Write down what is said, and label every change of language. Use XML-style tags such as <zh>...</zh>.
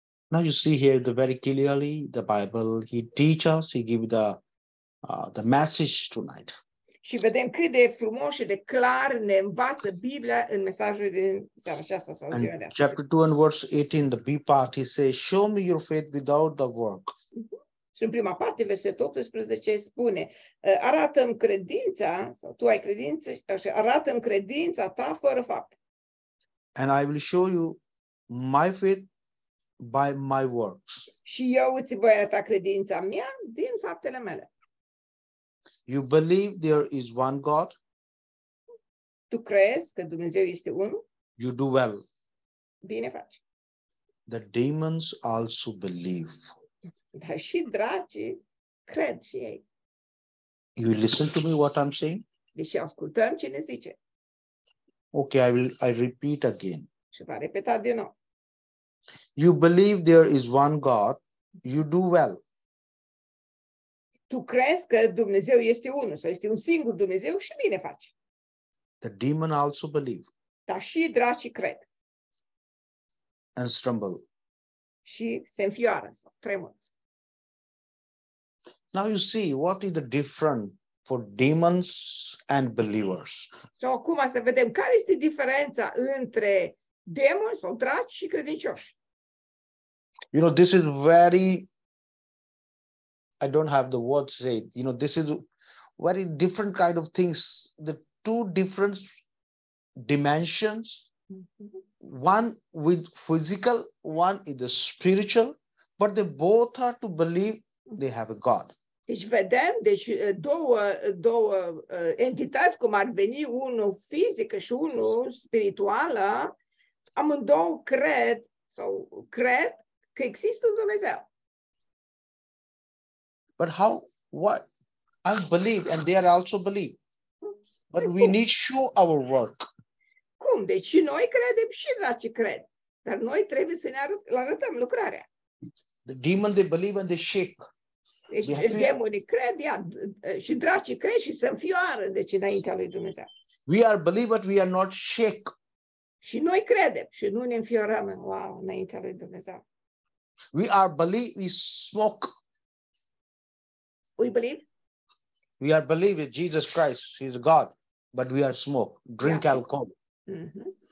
<en>Now you see here the very clearly the Bible, he teach us, he give the message tonight.</en> <ro>Și vedem cât de frumos și de clar ne învață Biblia în mesajul din seara aceasta sau ziua de astăzi.</ro> <en>Chapter 2 and verse 18, the B part, he says, show me your faith without the work.</en> <ro>Și în prima parte, versetul 18, spune, arată-mi credința, sau tu ai credință, și arată-mi credința ta fără fapt.</ro> <en>And I will show you my faith by my works.</en> <ro>Și eu îți voi arăta credința mea din faptele mele.</ro> <en>You believe there is one God?</en> <ro>Tu crezi că Dumnezeu este unul?</ro> <en>You do well.</en> <ro>Bine faci.</ro> <en>The demons also believe.</en> <ro>Dar și dracii cred și ei.</ro> <en>You listen to me what I'm saying?</en> <ro>Deci ascultăm ce ne zice.</ro> <en>Okay, I repeat again.</en> <ro>Și va repeta din nou.</ro> <en>You believe there is one God, you do well.</en> <ro>Tu crezi că Dumnezeu este unul sau este un singur Dumnezeu și bine faci.</ro> <en>The demon also believe.</en> <ro>Dar și dracii cred.</ro> <en>And stumble.</en> <ro>Și se înfioară sau tremură.</ro> <en>Now you see what is the difference for demons and believers.</en> <ro>So acum să vedem care este diferența între demoni sau draci și credincioși.</ro> <en>You know, this is very, I don't have the words said. You know, this is very different kind of things. The two different dimensions. One with physical, one is the spiritual, but they both are to believe they have a God.</en> <ro>Deci vedem, deci două entități, cum ar veni, unul fizic și unul spiritual, amândouă cred că există un Dumnezeu.</ro> <en>But how, what? I believe and they are also believe. But we need to show our work.</en> <ro>Cum? Deci noi credem și dracii cred. Dar noi trebuie să ne arătăm lucrarea.</ro> <en>The demon, they believe and they shake.</en> <ro>Deci demonii cred, și dracii cred și se înfioară, deci înaintea lui Dumnezeu.</ro> <en>We are believe but we are not shake.</en> <ro>Și noi credem și nu ne înfiorăm, wow, înaintea lui Dumnezeu.</ro> <en>We are believe, we smoke. We believe? We are believe in Jesus Christ, he is God, but we are smoke, drink alcohol. Mm-hmm.</en>